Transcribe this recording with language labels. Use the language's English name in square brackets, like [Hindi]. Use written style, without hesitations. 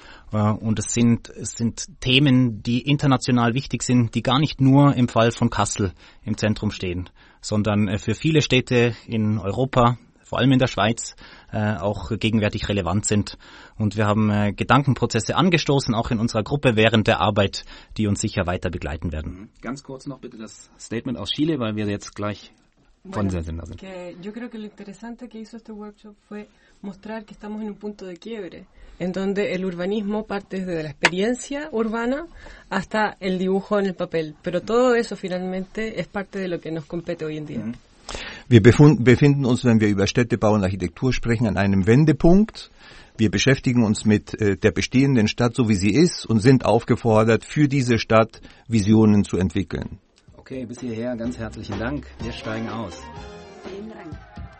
[German] Und es sind Themen, die international wichtig sind, die gar nicht nur im Fall von Kassel im Zentrum stehen, sondern für viele Städte in Europa, vor allem in der Schweiz, auch gegenwärtig relevant sind. Und wir haben Gedankenprozesse angestoßen, auch in unserer Gruppe während der Arbeit, die uns sicher weiter begleiten werden. Ganz kurz noch bitte das Statement aus Chile, weil wir jetzt gleich von der Sender sind. [Spanish] Yo creo que lo interesante que hizo este workshop fue mostrar que estamos en un punto de quiebre, en donde el urbanismo parte desde la experiencia urbana hasta el dibujo en el papel. Pero todo eso finalmente es parte de lo que nos compete hoy en día. [German] Wir befinden uns, wenn wir über Städtebau und Architektur sprechen, an einem Wendepunkt. Wir beschäftigen uns mit der bestehenden Stadt, so wie sie ist, und sind aufgefordert, für diese Stadt Visionen zu entwickeln. Okay, bis hierher ganz herzlichen Dank. Wir steigen aus. Vielen Dank.